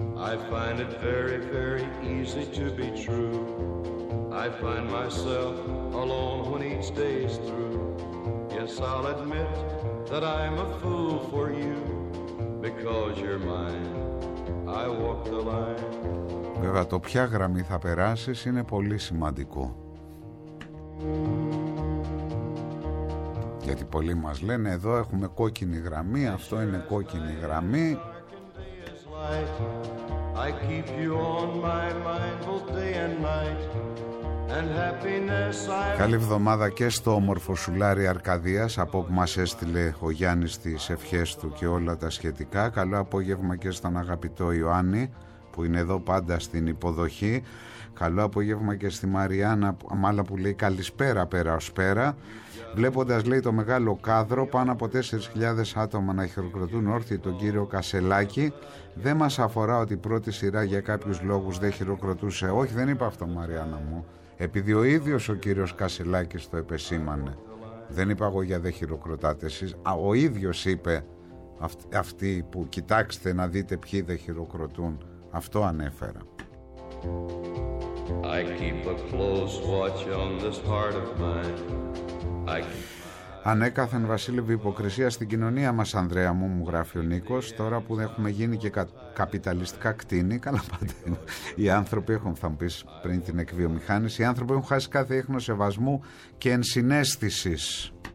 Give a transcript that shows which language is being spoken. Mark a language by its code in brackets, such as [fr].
[en] I find it very, very easy to be true. I find myself alone when each day's through. Yes, I'll admit that I'm a fool for you. Because you're mine, I walk the line. [el] Βέβαια, το ποια γραμμή θα περάσεις είναι πολύ σημαντικό. Γιατί πολλοί μας λένε, εδώ έχουμε κόκκινη γραμμή, αυτό είναι κόκκινη γραμμή. [en] I keep you on my mind both day and night, and happiness I... [el] Καλή εβδομάδα και στο όμορφο σουλάρι Αρκαδίας, από όπου μας έστειλε ο Γιάννης τις ευχές του και όλα τα σχετικά. Καλό απόγευμα και στον αγαπητό Ιωάννη, που είναι εδώ πάντα στην υποδοχή. Καλό απόγευμα και στη Μαριάννα, μάλλον που λέει καλησπέρα πέρα ως πέρα. Βλέποντας, λέει, το μεγάλο κάδρο, πάνω από 4.000 άτομα να χειροκροτούν όρθιοι τον κύριο Κασελάκη. Δεν μας αφορά ότι η πρώτη σειρά για κάποιους λόγους δεν χειροκροτούσε. Όχι, δεν είπα αυτό, Μαριάννα μου. Επειδή ο ίδιος ο κύριος Κασελάκης το επεσήμανε. Δεν είπα εγώ για δεν χειροκροτάτε εσείς. Ο ίδιος είπε, αυτοί που κοιτάξτε να δείτε ποιοι δεν χειροκροτούν. Αυτό ανέφερα. [en] I keep a close watch on this heart of mine. [el] Ανέκαθεν, Βασίλη, υποκρισία στην κοινωνία μας, Ανδρέα μου, μου γράφει ο Νίκος. Τώρα που έχουμε γίνει και καπιταλιστικά κτίνη, καλά πάντα. Οι άνθρωποι έχουν, θα μου πεις πριν την εκβιομηχάνηση, οι άνθρωποι έχουν χάσει κάθε ίχνο σεβασμού και ενσυναίσθησης.